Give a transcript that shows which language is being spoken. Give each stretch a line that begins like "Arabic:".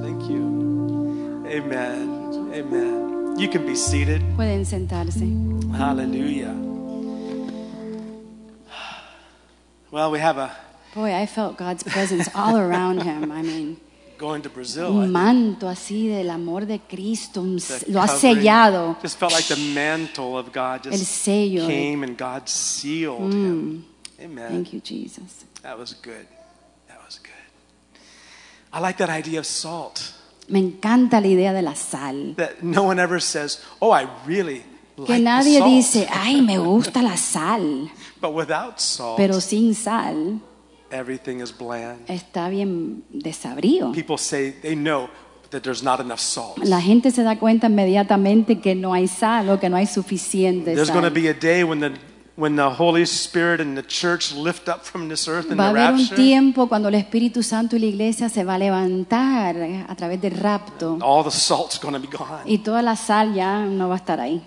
English: Thank you. Amen. Amen. You can be seated.
Spanish: Pueden sentarse.
English: Hallelujah. Well, we have a boy. I felt God's presence all around him. I mean, going to Brazil.
Spanish: Un manto así del amor de Cristo lo ha sellado.
English: Just felt like the mantle of God just
Spanish: el sello
English: came and God sealed him. Amen. Thank you, Jesus. That was good. That was good. I like that idea of salt.
Spanish: Me encanta la idea de la sal.
English: That no one ever says, "Oh, I really like
Spanish: que nadie dice, "Ay, me gusta la sal."
English: But without salt,
Spanish: pero sin sal,
English: everything is bland.
Spanish: Está bien desabrío.
English: People say they know that there's not enough salt.
Spanish: La gente se da cuenta inmediatamente que no hay sal o que no hay suficiente
English: there's
Spanish: sal.
English: There's going to be a day when the when the Holy Spirit and the church lift up from this earth in the rapture.
Spanish: Va a haber un tiempo cuando el Espíritu Santo y la iglesia se va a levantar a través del rapto.
English: All the salt's going to be gone.
Spanish: Y toda la sal ya no va a estar ahí.